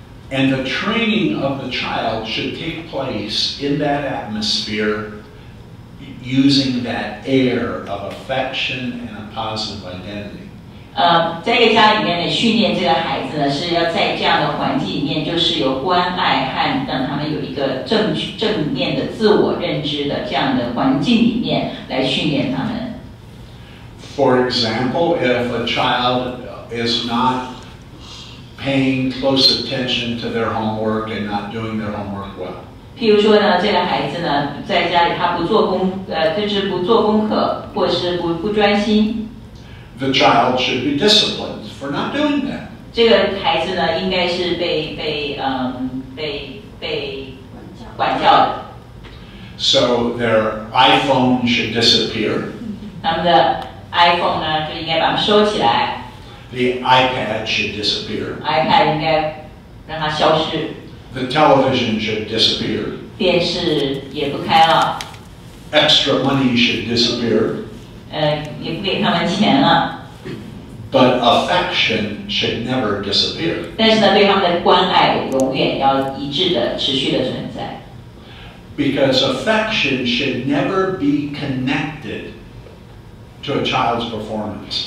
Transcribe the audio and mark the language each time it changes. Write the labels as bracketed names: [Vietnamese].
[English] And the training of the child should take place in that atmosphere. Using that air of affection and a positive identity. [Chinese] 在一个家里面呢，训练这个孩子呢，是要在这样的环境里面，就是有关爱和让他们有一个正面的自我认知的这样的环境里面来训练他们。 [English] For example, if a child is not paying close attention to their homework and not doing their homework well. [Chinese] 譬如说呢，这个孩子呢，在家里他不做功，就是不做功课，或是不专心。 [English] The child should be disciplined for not doing that. [Chinese] 这个孩子呢，应该是被管教的。 [English] So their iPhone should disappear. [Chinese] 他们的 iPhone 呢，就应该把它收起来。 [English] The iPad should disappear. [Chinese] iPad 应该让它消失。 [English] The television should disappear. [Chinese] 电视也不开了。 [English] Extra money should disappear. [Chinese] 也不给他们钱了。 [English] But affection should never disappear. [Chinese] 但是呢，对他们的关爱永远要一致的、持续的存在。 [English] Because affection should never be connected to a child's performance.